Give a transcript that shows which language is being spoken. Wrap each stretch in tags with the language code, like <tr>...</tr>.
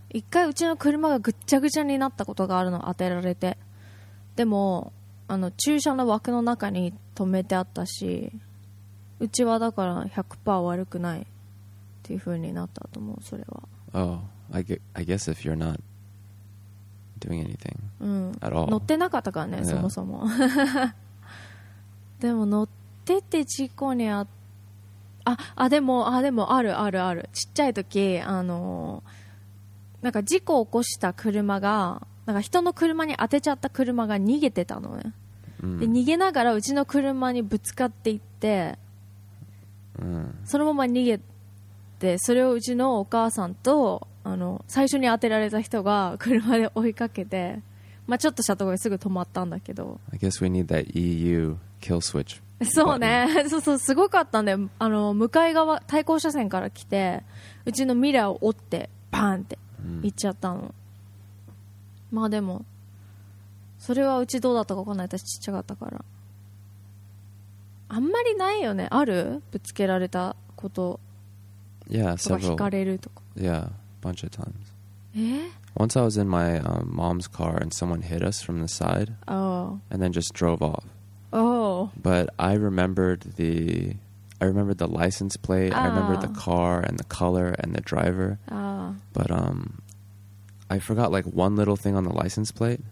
<ja>一回うちの車がぐっちゃぐちゃになったことがあるの、当てられて。でも、あの駐車の枠の中に止めてあったし、うちはだから 100% 悪くないっていう風になったと思う、それは。</ja> <en>Oh, I guess if you're not doing anything、at all.</en> <ja>乗ってなかったからね、yeah. そもそも。でも乗ってて事故にあった。でもあるあるある。ちっちゃい時なんか事故を起こした車がなんか人の車に当てちゃった車が逃げてたのね、で逃げながらうちの車にぶつかっていって、そのまま逃げて、それをうちのお母さんと最初に当てられた人が車で追いかけて、まあ、ちょっとしたところですぐ止まったんだけど。</ja> <en>I guess we need that EU kill switch。</en> <ja>そうね、そうすごかったんだよ。向かい側対向車線から来て、うちのミラーを折ってバーンって行っちゃったの、まあでもそれはうちどうだったか分かんない、私ちっちゃかったから。あんまりないよね、ある、ぶつけられたこと。</ja> <en>Yeah, several.</en> <ja>とか引かれるとか。</ja> <en>Yeah, bunch of times. Once I was in my、mom's car and someone hit us from the side、and then just drove offBut I remembered the license plate. I remembered the car and the color and the driver. But I forgot like one little thing on the license plate.</en>